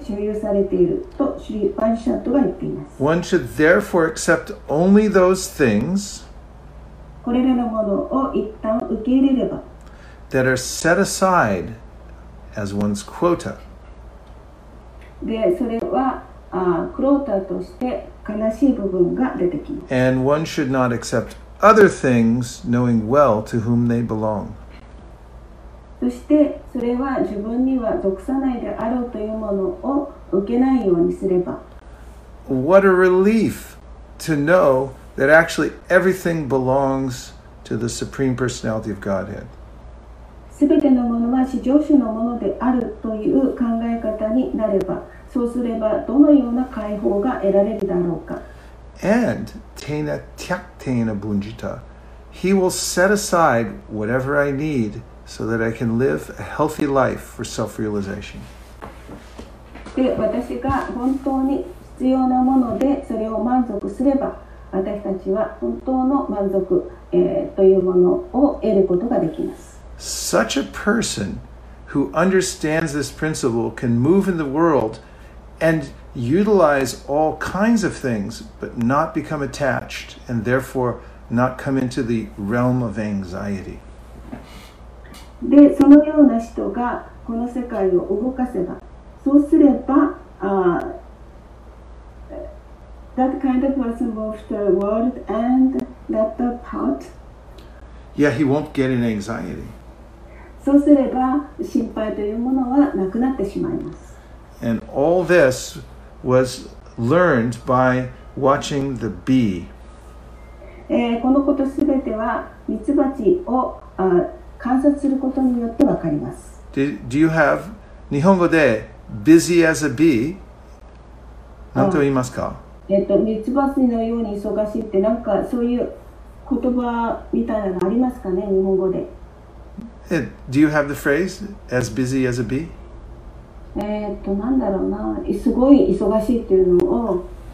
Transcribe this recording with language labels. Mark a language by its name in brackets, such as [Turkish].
[English] One should therefore accept only those things that are set aside as one's quota. And one should not accept. Other things, knowing well to whom they belong. [Japanese] そしてそれは自分には属さないであろうというものを受けないようにすれば。 [English] What a relief to know that actually everything belongs to the Supreme Personality of Godhead. [Japanese] すべてのものは至上主のものであるという考え方になれば、そうすればどのような解放が得られるだろうか。 [English] And [Sanskrit] tena tyak tena bunjita, [English] he will set aside whatever I need so that I can live a healthy life for self-realization. [Japanese] で、私が本当に必要なものでそれを満足すれば、私たちは本当の満足、というものを得ることができます。 [English] Such a person who understands this principle can move in the world and. Utilize all kinds of things, but not become attached, and therefore not come into the realm of anxiety. [Japanese] で、そのような人がこの世界を動かせば、そうすれば、 [English] that kind of person moves the world and that the part. Yeah, he won't get an anxiety. [Japanese] そうすれば心配というものはなくなってしまいます。 [English] And all this was learned by watching the bee. [Japanese] このことすべてはミツバチを観察することによってわかります。 [English] Do you have [Japanese] 日本語で [English] busy as a bee? [Japanese] なんと言いますか？ミツバチのように忙しいってなんかそういう言葉みたいなのありますかね、日本語で。 [English] Do you have the phrase as busy as a bee? [Japanese] なんだろうな、すごい忙しいっていうのを。